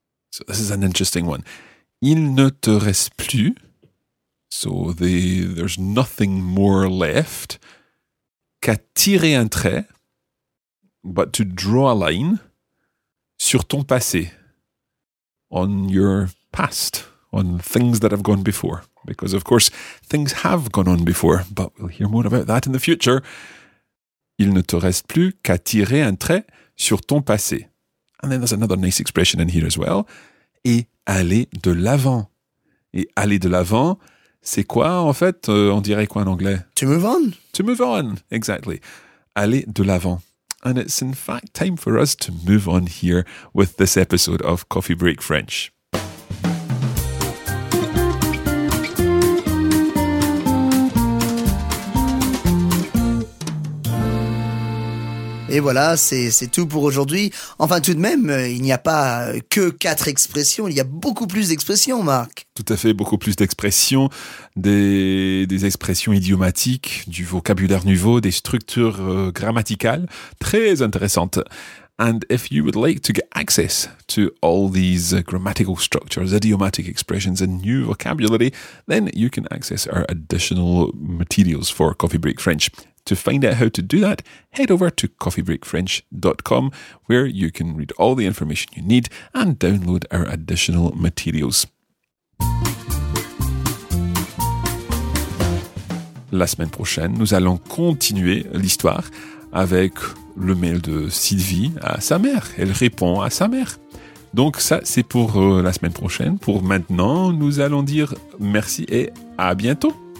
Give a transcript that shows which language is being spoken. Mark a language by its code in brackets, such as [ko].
[en] So this is an interesting one. [fr] Il ne te reste plus. [en] So there's nothing more left. [fr] Qu'à tirer un trait. [en] But to draw a line [fr] sur ton passé, [en] on your past, on things that have gone before. Because, of course, things have gone on before, but we'll hear more about that in the future. [fr] Il ne te reste plus qu'à tirer un trait sur ton passé. [en] And then there's another nice expression in here as well. [fr] Et aller de l'avant. Et aller de l'avant, c'est quoi, en fait, on dirait quoi en anglais? [en] To move on. To move on, exactly. [fr] Aller de l'avant. [en] And it's in fact time for us to move on here with this episode of Coffee Break French. [fr] Et voilà, c'est tout pour aujourd'hui. Enfin, tout de même, il n'y a pas que quatre expressions, il y a beaucoup plus d'expressions, Marc. Tout à fait, beaucoup plus d'expressions, des expressions idiomatiques, du vocabulaire nouveau, des structures grammaticales très intéressantes. [en] And if you would like to get access to all these grammatical structures, idiomatic expressions and new vocabulary, then you can access our additional materials for Coffee Break French. To find out how to do that, head over to coffeebreakfrench.com where you can read all the information you need and download our additional materials. [fr] La semaine prochaine, nous allons continuer l'histoire avec le mail de Sylvie à sa mère. Elle répond à sa mère. Donc ça, c'est pour la semaine prochaine. Pour maintenant, nous allons dire merci et à bientôt.